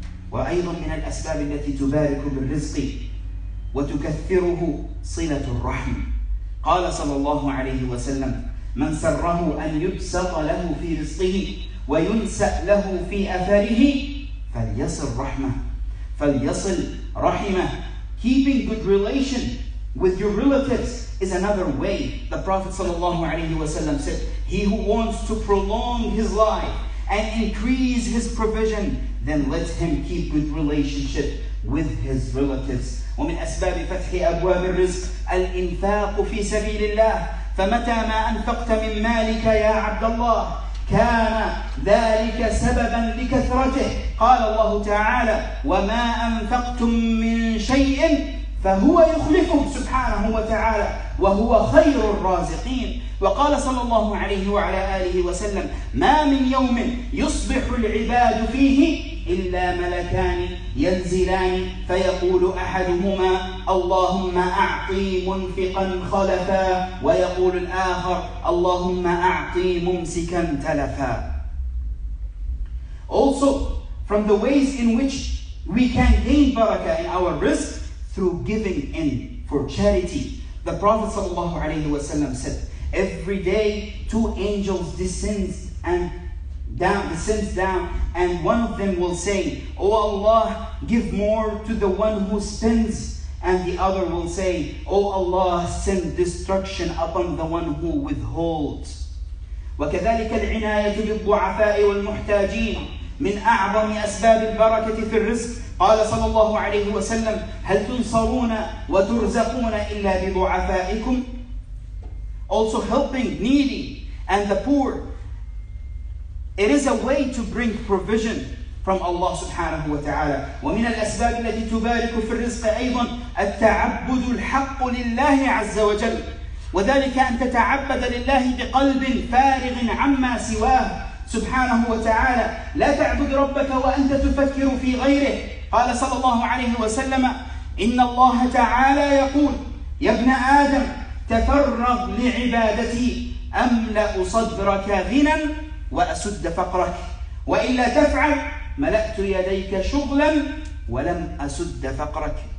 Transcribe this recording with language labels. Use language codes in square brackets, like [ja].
[ar] وأيضا من الأسباب التي تبارك بالرزق وتكثره صلة الرحم. قال صلى الله عليه وسلم من سره أن يبسط له في رزقه وينسأ له في أثره فليصل رحمه فليصل رحمه. [en] Keeping good relation with your relatives is another way. The Prophet sallallahu alaihi wasallam said, he who wants to prolong his life and increase his provision, then let him keep good relationship with his relatives. [ar] ومن أسباب فتح أبواب الرزق الإنفاق في سبيل الله فمتى ما أنفقت من مالك يا عبد الله كان ذلك سببا لكثرته. قال الله تعالى وما أنفقتم من شيء فهو يخلفه سبحانه وتعالى وهو خير الرازقين. وقال صلى الله عليه وعلى آله وسلم ما من يوم يصبح العباد فيه إلا ملكان ينزلان فيقول أحدهما اللهم أعطي منفقا خلفا ويقول الآخر اللهم أعطي ممسكا تلفا. [en] Also from the ways in which we can gain barakah in our rizq through giving in for charity. The Prophet sallallahu alayhi wa sallam said, every day two angels descend down and one of them will say, oh Allah, give more to the one who spends, and the other will say, oh Allah, send destruction upon the one who withholds. [ar] وكذلك العناية بالضعفاء والمحتاجين من أعظم أسباب البركة في الرزق. قال صلى الله عليه وسلم هل تنصرون وترزقون إلا بضعفائكم. [en] Also helping needy and the poor, it is a way to bring provision from Allah subhanahu wa ta'ala. [ar] ومن الأسباب التي تبارك في الرزق أيضا التعبد الحق لله عز وجل. وذلك أن تتعبد لله بقلب فارغ عما سواه سبحانه وتعالى. لا تعبد ربك وأنت تفكر في غيره. قال صلى الله عليه وسلم إن الله تعالى يقول يا ابن آدم تفرغ لعبادتي أملأ صدرك غنى وأسد فقرك وإلا تفعل ملأت يديك شغلا ولم أسد فقرك.